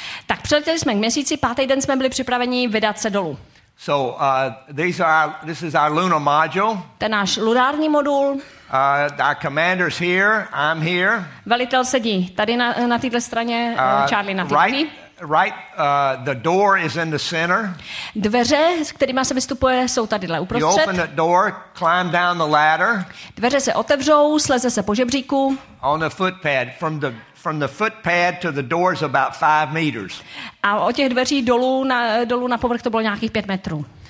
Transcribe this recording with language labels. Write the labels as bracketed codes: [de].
[cs] Tak přiletěli jsme k měsíci, pátý den jsme byli připraveni vydat se dolů. [en] So this is our lunar module. [cs] To je náš lunární modul. [en] Our commander's here. I'm here. [cs] Velitel sedí tady na této straně. Charlie na té straně. [en] The door is in the center. [cs] Dveře, s kterýma se vystupuje, jsou tadyhle uprostřed. [en] You open the door, climb down the ladder. [cs] Dveře se otevřou, sleze se po žebříku. [en] On the footpad, from the footpad to the door is about 5 meters. [cs] A od těch dveří dolů na povrch to bylo nějakých 5 metrů.